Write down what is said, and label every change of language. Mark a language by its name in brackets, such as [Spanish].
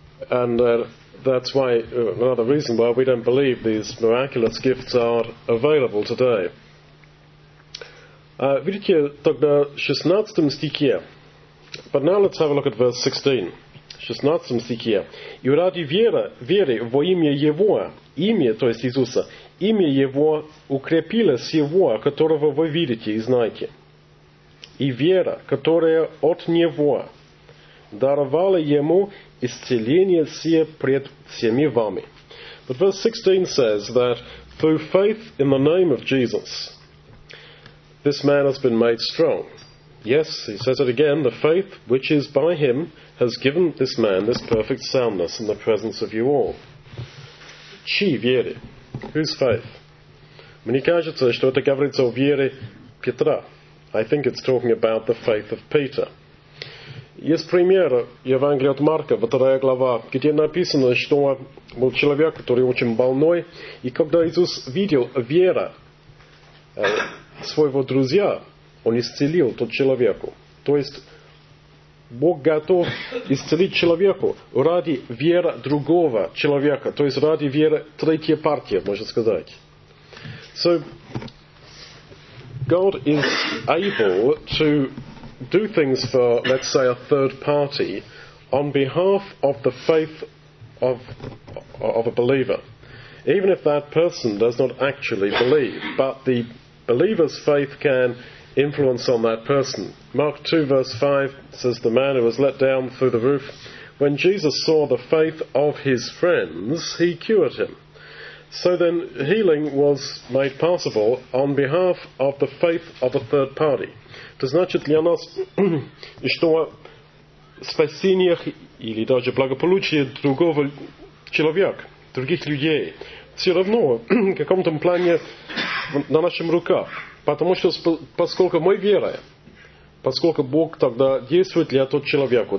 [English] And that's why, another reason why we don't believe these miraculous gifts are available today. [Russian] Видите, тогда 16 стихе. [English] But now let's have a look at verse 16. [Russian] В 16 стихе. «И ради веры во имя Его, имя, то есть Иисуса, имя Его укрепилось Его, которого вы видите и знаете. И вера, которая от Него, даровала Ему исцеление сие пред всеми вами». [English] But verse 16 says that through faith in the name of Jesus, this man has been made strong. Yes, he says it again, the faith which is by him has given this man this perfect soundness in the presence of you all. [Russian] Чьи веры? [English] Whose faith? [Russian] Мне кажется, что это говорится о вере Петра. [English] I think it's talking about the faith of Peter. [Russian] Есть пример Евангелия от Марка, 2 глава, где написано, что был человек, который очень больной, и когда Иисус видел веру своего друзья, он исцелил тот человеку. То есть Бог готов исцелить человеку ради веры другого человека, то есть ради веры третьей партии, можно сказать. [English] So, God is able to do things for, let's say, a third party on behalf of the faith of a believer, even if that person does not actually believe. But the believer's faith can influence on that person. Mark 2 verse 5 says, "The man who was let down through the roof, when Jesus saw the faith of his friends, he cured him." So then healing was made possible on behalf of the faith of a third party. [Russian] То значит для нас, что спасение или даже благополучие другого человека, других людей, все равно в каком-то плане на нашем руках. Потому что поскольку мы верим, поскольку Бог тогда действует для того человека.